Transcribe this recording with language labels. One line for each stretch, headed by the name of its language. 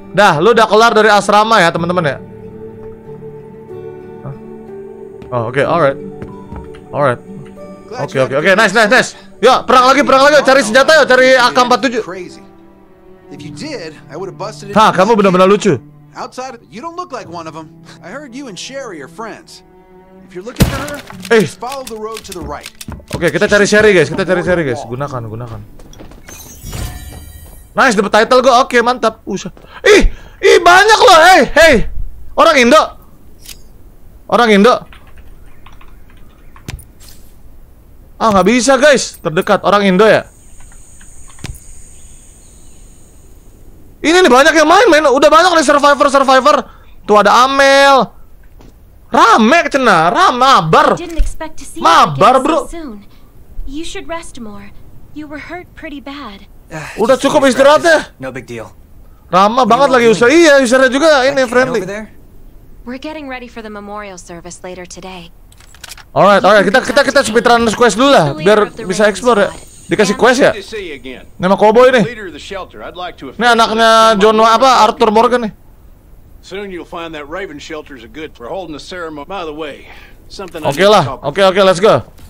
Indonesian: Dah, lu udah kelar dari asrama ya, teman-teman ya. Oh, oke, okay, alright. Alright. Oke, okay, oke, okay, oke, okay. Nice. Yuk, perang lagi, cari senjata yuk, cari AK-47. Hah, kamu benar-benar lucu.
English: Outside, you don't look like one of them. I heard you and Sherry are friends. If you're looking for her, follow the road to the right.
Indonesian: Oke, kita cari Sherry, guys. Gunakan. Nice, dapat title gue. Oke, mantap. Ih, banyak loh. Hey. Orang Indo. Ah, nggak bisa, guys. Terdekat. Orang Indo, ya? Ini nih, banyak yang main. Udah banyak nih survivor. Tuh, ada Amel. Rame, kecena. Rame, mabar. Mabar, bro.
English: You should rest more. You were hurt pretty bad.
Indonesian: Udah cukup istirahatnya.
English: No big deal.
Indonesian: Ramah banget lagi usaha. Iya, usahanya juga ini friendly.
English: We're getting ready for the memorial service later today.
Indonesian: Alright, kita speed run quest dulu lah biar bisa explore ya. Dikasih quest ya. Nama cowboy ini. Ini anaknya John apa Arthur Morgan nih.
English: Soon you'll find that Raven shelter is good for holding the ceremony. By the way, something.
Indonesian: Oke lah. Oke,
English: let's go.